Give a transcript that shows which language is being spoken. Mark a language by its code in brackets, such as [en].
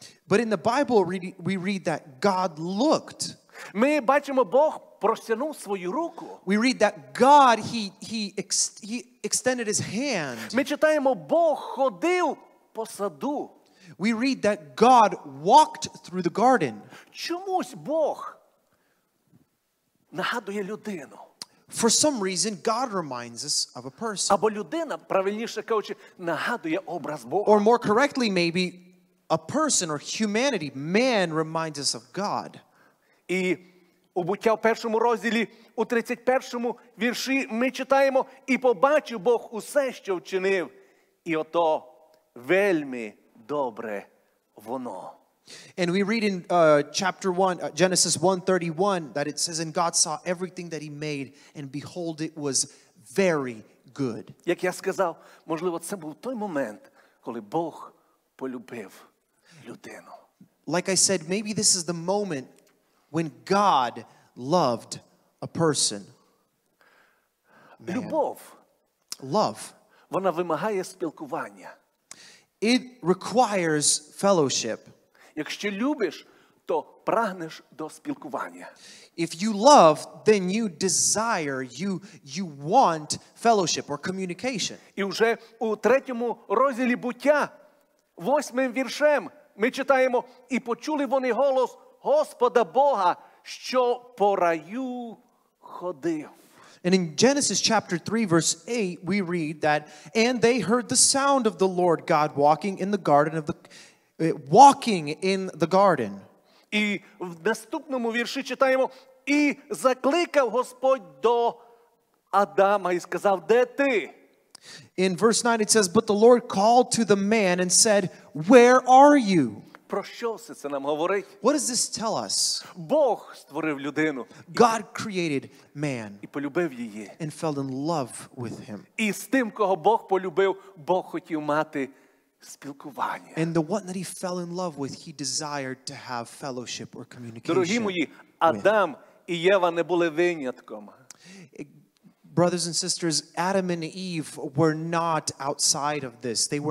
[en] But in the Bible we read that God looked. [uk] Ми бачимо Бог простягнув свою руку. [en] We read that God he extended his hand. [uk] Ми читаємо Бог ходив по саду. [en] We read that God walked through the garden. [uk] Чомусь Бог нагадує людину. [en] For some reason God reminds us of a person. [uk] Або людина, правильніше кажучи, нагадує образ Бога. [en] Or more correctly maybe a person or humanity, man reminds us of God. [uk] І у Буття в першому розділі, у 31-му вірші ми читаємо: «І побачив Бог усе, що вчинив, і ото вельми добре воно». [en] And we read in chapter 1, Genesis 1:31, that it says, «And God saw everything that he made, and behold, it was very good». [uk] Як я сказав, можливо, це був той момент, коли Бог полюбив людину. [en] Like I said, maybe this is the moment when God loved a person. Man. [uk] Любов. [en] Love. [uk] Вона вимагає спілкування. [en] It requires fellowship. [uk] Якщо любиш, то прагнеш до спілкування. [en] If you love, then you desire, you want fellowship or communication. [uk] І вже у третьому розділі Буття, восьмим віршем, ми читаємо: «І почули вони голос Господа Бога, що по раю ходив». [en] And in Genesis chapter 3, verse 8, we read that, «And they heard the sound of the Lord God walking in the garden». [uk] І в наступному вірші читаємо: «І закликав Господь до Адама і сказав, де ти?» [en] In verse 9 it says, «But the Lord called to the man and said, where are you?» [uk] Про що це нам говорить? [en] What does this tell us? [uk] Бог створив людину. [en] God created man. [uk] І полюбив її. [en] And fell in love with him. [uk] І з тим, кого Бог полюбив, Бог хотів мати спілкування. [en] And the one that he fell in love with, he desired to have fellowship or communication. [uk] Дорогі мої, Адам і Єва не були винятком. [en] Brothers and sisters, Adam and Eve were not outside of this.